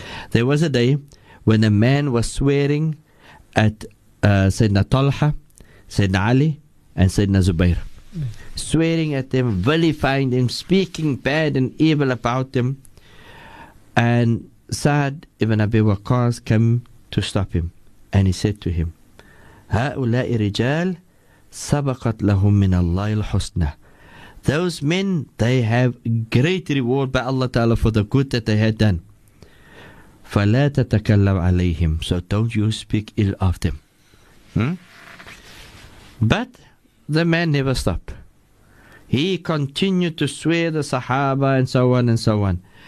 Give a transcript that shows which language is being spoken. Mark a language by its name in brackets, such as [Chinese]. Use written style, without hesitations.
[English] There was a day when a man was swearing at Sayyidina Talha, Sayyidina Ali, and Sayyidina Zubair. Swearing at them, vilifying them, speaking bad and evil about them. And Sa'd ibn Abi Waqqas came to stop him. And he said to him, [Arabic] هَؤُلَاءِ رِجَالِ سَبَقَتْ لَهُمْ مِنَ اللَّهِ الْحُسْنَى. [English] Those men, they have great reward by Allah Ta'ala for the good that they had done. [Arabic] فَلَا تَتَكَلَّمْ عَلَيْهِمْ. [English] So don't you speak ill of them. But the man never stopped. He continued to swear the Sahaba and so on and so on.